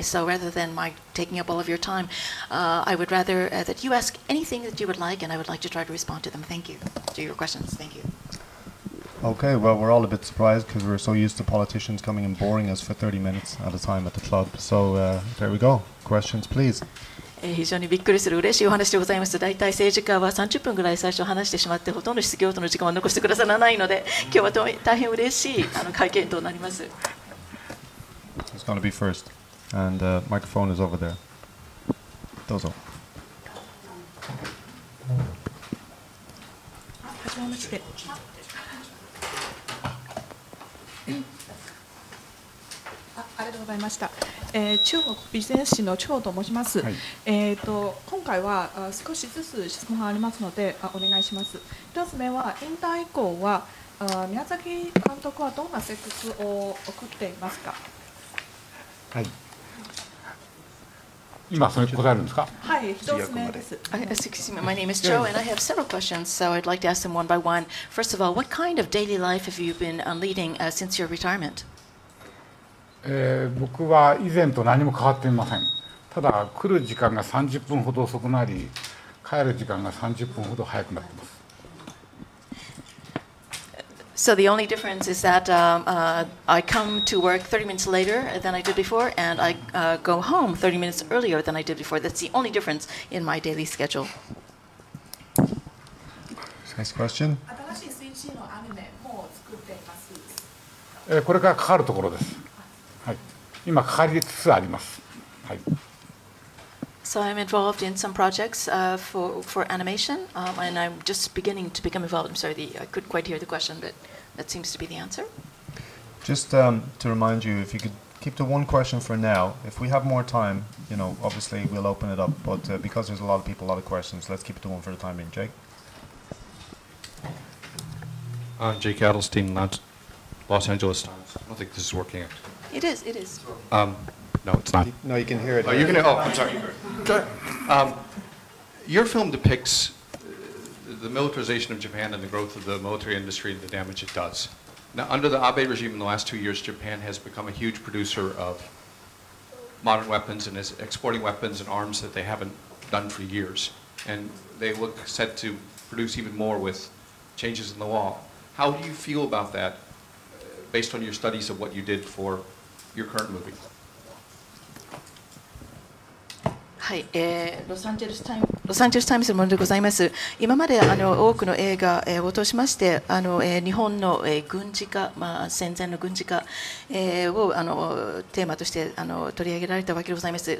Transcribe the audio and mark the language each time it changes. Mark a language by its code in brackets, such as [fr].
[en] So rather than my taking up all of your time, I would rather that you ask anything that you would like, and I would like to try to respond to them. Thank you. To your questions. Thank you. Okay, well, we're all a bit surprised because we're so used to politicians coming and boring us for 30 minutes at a time at the club. So there we go. Questions, please. [ja] 非常にびっくりする嬉しいお話でございます。だいたい政治家は30分ぐらい最初話してしまって、ほとんど質疑応答の時間は残してくださらないので、今日は大変嬉しい会見となります。 [en] It's going to be first. And the microphone is over there. [ja] どうぞ。はじめまして。ありがとうございました。中国ビジネス誌の張と申します。はい。今回は少しずつ質問がありますので、お願いします。一つ目は、引退以降は宮崎監督はどんな生活を送っていますか。はい、今それ答えるんですか。はい、一つ目です。 [en] Excuse me, my name is Joe and I have several questions, so I'd like to ask them one by one. First of all, what kind of daily life have you been leading since your retirement? [ja] 僕は以前と何も変わっていません。ただ来る時間が30分ほど遅くなり、帰る時間が30分ほど早くなっています。 [en] So the only difference is that I come to work 30 minutes later than I did before, and I go home 30 minutes earlier than I did before. That's the only difference in my daily schedule. Next question. [ja] 新しい水中のアニメも作っています。これからかかるところです。今かかりつつあります。はい。 [en] So I'm involved in some projects for animation, and I'm just beginning to become involved. I'm sorry, I couldn't quite hear the question, but that seems to be the answer. Just to remind you, if you could keep to one question for now. If we have more time, you know, obviously we'll open it up. But because there's a lot of people, a lot of questions, let's keep it to one for the time being. Jake. Jake Adelstein, Los Angeles Times. I don't think this is working out. It is. No, it's not. No, you can hear it. Oh, you can hear it. Oh, I'm sorry. Your film depicts the militarization of Japan and the growth of the military industry and the damage it does. Now, under the Abe regime in the last 2 years, Japan has become a huge producer of modern weapons and is exporting weapons and arms that they haven't done for years. And they look set to produce even more with changes in the law. How do you feel about that, based on your studies of what you did for... Your current movie. [ja] はい、ロサンゼルスタイムズのものでございます。今まで多くの映画を通しまして、日本の軍事化、まあ、戦前の軍事化をテーマとして取り上げられたわけでございます。